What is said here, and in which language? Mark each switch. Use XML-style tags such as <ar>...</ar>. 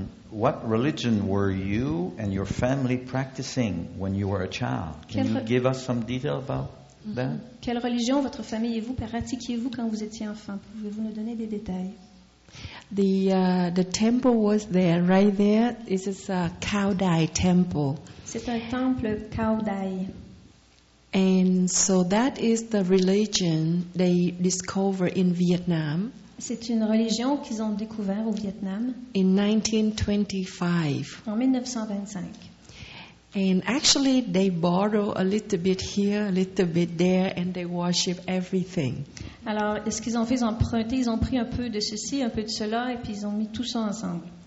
<en>What religion were you and your family practicing when you were a child? Can you give us some detail about that?</en> <fr>Quelle religion votre famille et vous pratiquiez-vous quand vous étiez enfant? Pouvez-vous nous donner des détails?</fr> <en>The temple was there, right there. This is a Khao Dai temple.</en> <fr>C'est un temple Khao Dai.</fr> <en>And so that is the religion they discover in Vietnam.</en> <fr>C'est une religion qu'ils ont découvert au Vietnam</fr> <en>in 1925.</en> <fr>En 1925.</fr> <en>And actually they borrow a little bit here, a little bit there and they worship everything.</en> <fr>Alors, ce qu'ils ont fait, ils ont emprunté, ils ont pris un peu de ceci, un peu de cela et puis ils ont mis tout ça ensemble.</fr>